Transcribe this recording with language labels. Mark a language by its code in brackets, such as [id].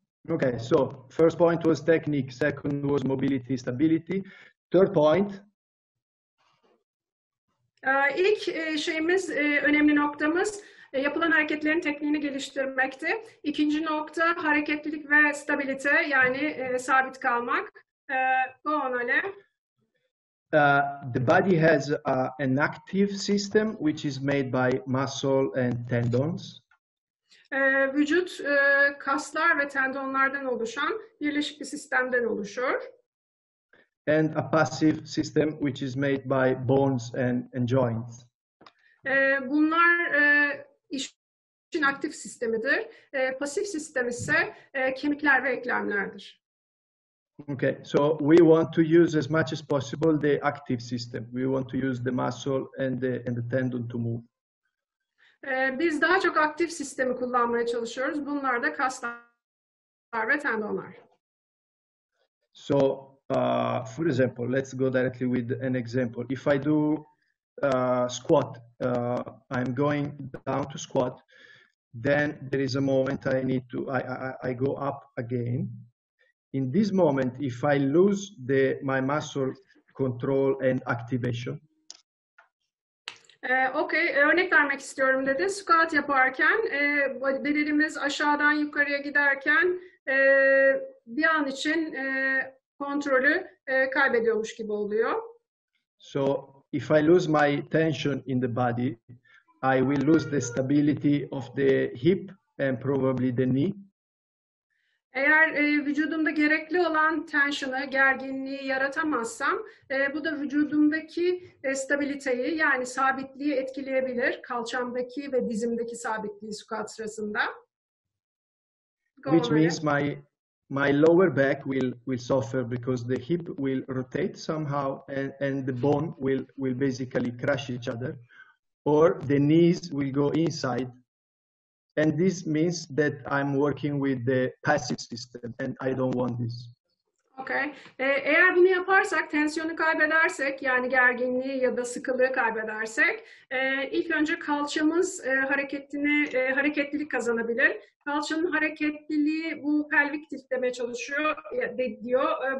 [en] Okay, so first point was technique, second was mobility, stability. Third point. [tr] İlk şeyimiz, önemli noktamız yapılan hareketlerin tekniğini geliştirmekti. İkinci nokta hareketlilik ve stabilite, yani sabit kalmak. [en] Go on, Alem. The body has an active system which is made by muscle and tendons. [tr] Vücut kaslar ve tendonlardan oluşan birleşik bir sistemden oluşur. [en] And a passive system which is made by bones and joints. [tr] Bunlar işin aktif sistemidir. Pasif sistem ise kemikler ve eklemlerdir. [en] Okay, so we want to use as much as possible the active system. We want to use the muscle and the tendon to move. [tr] Biz daha çok aktif sistemi kullanmaya çalışıyoruz. Bunlar da kaslar ve tendonlar. [en] So, for example, let's go directly with an example. If I do squat, I'm going down to squat, then there is a moment I go up again. In this moment, if I lose my muscle control and activation. [tr] Okay, örnek vermek istiyorum dedi. Squat yaparken, bedenimiz aşağıdan yukarıya giderken bir an için kontrolü kaybediyormuş gibi oluyor. [en] So, if I lose my tension in the body, I will lose the stability of the hip and probably the knee. [tr] Eğer vücudumda gerekli olan tensiyonu, gerginliği yaratamazsam, bu da vücudumdaki stabiliteyi, yani sabitliği etkileyebilir. Kalçamdaki ve dizimdeki sabitliği squat sırasında. [en] Go Which away. Means my lower back will suffer because the hip will rotate somehow and the bone will basically crush each other, or the knees will go inside. And this means that I'm working with the passive system and I don't want this. Okay. [tr] Eğer bunu yaparsak, tensiyonu kaybedersek, yani gerginliği ya da sıkılığı kaybedersek, ilk önce kalçamız hareketlilik kazanabilir. Kalçanın hareketliliği bu pelvik titreme çalışıyor diyor.